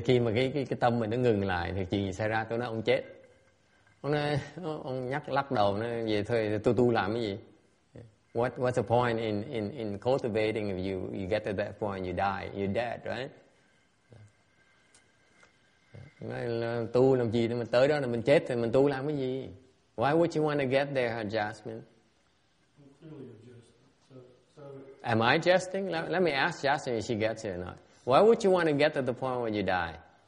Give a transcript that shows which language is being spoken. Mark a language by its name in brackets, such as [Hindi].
[Vietnamese] Khi mà cái tâm mình nó ngừng lại thì chuyện gì xảy ra? Tôi nói ông chết. Ông nhắc lắc đầu nói vậy thôi. Tôi tu làm cái gì? [English] What's the point in cultivating if you get to that point you die, you're dead, right? [Vietnamese] Nói là tu làm gì mà tới đó là mình chết thì mình tu làm cái gì? [English] Why would you want to get there, Jasmine? Am I jesting? Let me ask Jasmine if she gets it or not. Why would you want to get to the point where you die?